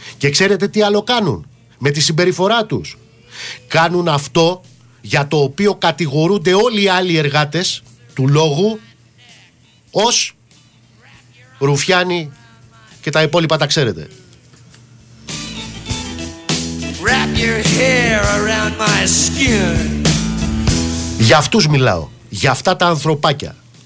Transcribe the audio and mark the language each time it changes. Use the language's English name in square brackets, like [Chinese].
[Greek] Και ξέρετε τι άλλο κάνουν με τη συμπεριφορά τους? Κάνουν αυτό για το οποίο κατηγορούνται όλοι οι άλλοι εργάτες του λόγου ως ρουφιάνοι και τα υπόλοιπα τα ξέρετε. [English] Wrap your hair around my skin. [Greek] Για αυτούς μιλάω, για αυτά τα ανθρωπάκια.